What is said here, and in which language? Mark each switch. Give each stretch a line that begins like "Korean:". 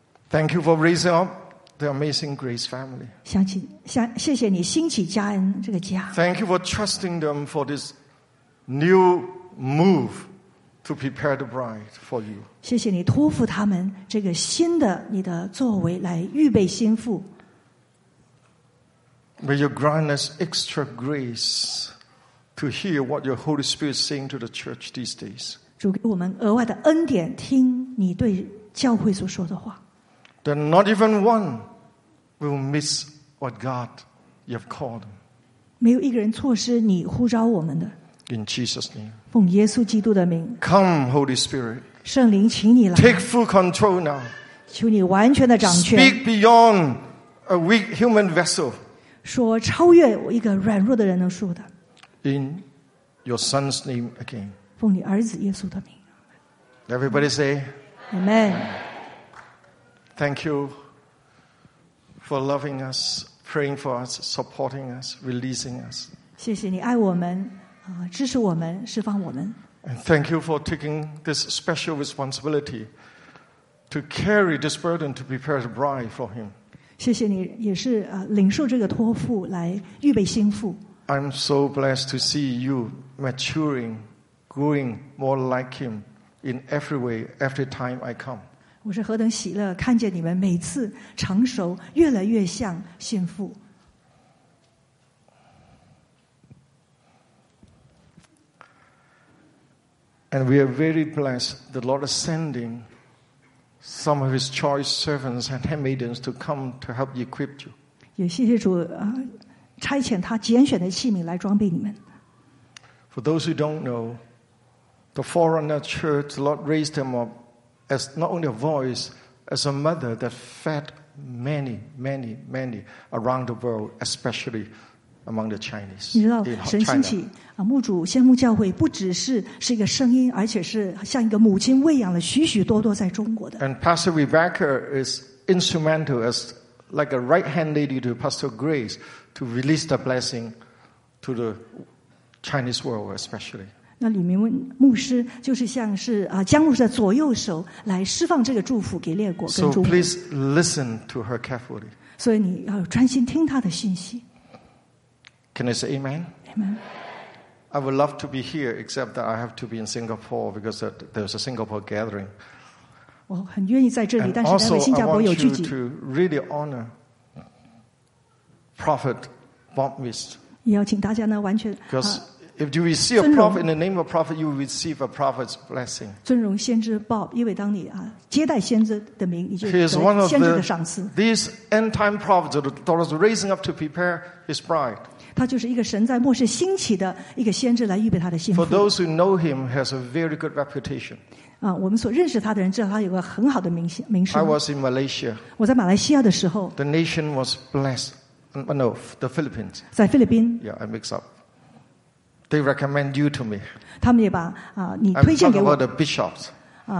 English: Thank you for raising up the amazing Grace family.
Chinese: 谢谢你兴起家恩这个家
English: Thank you for trusting them for this new move to prepare the bride for you.
Chinese: 谢谢你托付他们这个新的你的作为来预备新妇。
English: May you grant us extra grace to hear what your Holy Spirit is saying to the church these days.
Chinese: 主给我们额外的恩典，听你对教会所说的话。
English: That not even one will miss what God you have called.
Chinese: 没有一个人错失你呼召我们的。
English: In Jesus' name.
Chinese: 奉耶稣基督的名。
English: Come, Holy Spirit.
Chinese: 圣灵，请你来。
English: Take full control now.
Chinese: 求你完全的掌权。
English: Speak beyond a weak human vessel.
Chinese: 说超越我一个软弱的人能说的。
English: In your son's name again.
Chinese: 奉你儿子耶稣的名。
English: Everybody say, Amen. Thank you for loving us, praying for us, supporting us, releasing us.
Chinese: 谢谢你爱我们，支持我们，释放我们。
English: And thank you for taking this special responsibility to carry this burden to prepare the bride for him.
Chinese: 谢谢你也是领受这个托付来预备心腹。
English: I'm so blessed to see you maturing, growing more like him in every way every time I come.
Chinese: 我是何等喜乐看见你们每次成熟越来越像心腹。
English: And we are very blessed the Lord is sending. Some of his choice servants and handmaidens to come to help equip you.
Chinese: 也谢谢主差遣他拣选的器皿来装备你们。
English: For those who don't know, the foreigner church, the Lord raised them up as not only a voice, as a mother that fed many, many, many around the world, especially among the Chinese.
Chinese: 你知道神兴起牧主先锋教会不只是是一个声音，而且是像一个母亲喂养了许许多多在中国的。
English: And Pastor Rebecca is instrumental as like a right-hand lady to Pastor Grace to release the blessing to the Chinese world, especially.
Chinese: 那李明文牧师就是像是江牧师的左右手，来释放这个祝福给列国跟中国。
English: So please listen to her carefully.
Chinese: 所以你要专心听她的信息。
English: Can I say Amen? Amen. I would love to be here, except that I have to be in Singapore because there's a Singapore gathering.
Chinese: 我很愿意在这里，但是在新加坡有聚集。
English: And also, I want you to really honor Prophet Bob Mist.
Chinese: 也要请大家呢，完全。 Because if you receive a prophet in the name of a prophet, you will receive a prophet's blessing. 尊荣先知 Bob, 因为当你接待先知的名，你就得先知的赏赐。
English: He is one of these end-time prophets that the Lord is raising up to prepare his bride.
Chinese: 他就是一个神在末世兴起的一个先知，来预备他的心腹。
English: For those who know him, has a very good reputation.
Chinese: 我们所认识他的人知道他有个很好的名声。
English: I was in Malaysia.
Chinese: 我在马来西亚的时候。
English: The nation was blessed. No, the Philippines.
Chinese: 在菲律宾。
English: Yeah, I mix up. They recommend you to me.
Chinese: 他们也把你推荐给我。
English: I'm talking about the bishops.